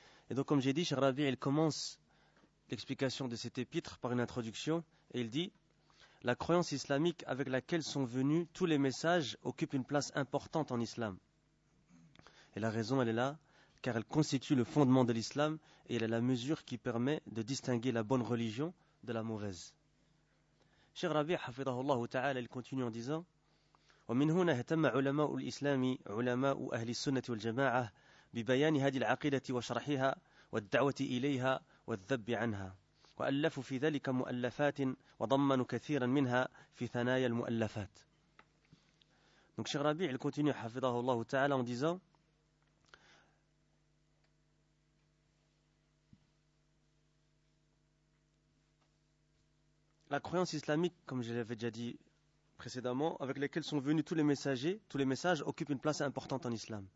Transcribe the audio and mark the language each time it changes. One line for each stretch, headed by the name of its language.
French: Et donc comme j'ai dit, Cheikh Rabi, il commence l'explication de cet épître par une introduction, et il dit: la croyance islamique avec laquelle sont venus tous les messages occupe une place importante en islam. Et la raison, elle est là, car elle constitue le fondement de l'islam, et elle est la mesure qui permet de distinguer la bonne religion de la mauvaise.
Arabic: Cheikh Rabi' حفظه الله تعالى
French: il continue en disant:
Arabic: ومن هنا اهتم علماء الإسلام علماء أهل السنة والجماعة ببيان هذه العقيدة وشرحها والدعوة إليها والذب عنها وألفوا في ذلك مؤلفات وضمنوا كثيرا منها في ثنايا المؤلفات.
French: Donc Cheikh Rabi' il continue
Arabic: حفظه الله تعالى
French: en disant: la croyance islamique, comme je l'avais déjà dit précédemment, avec laquelle sont venus tous les messagers, tous les messages occupent une place importante en islam.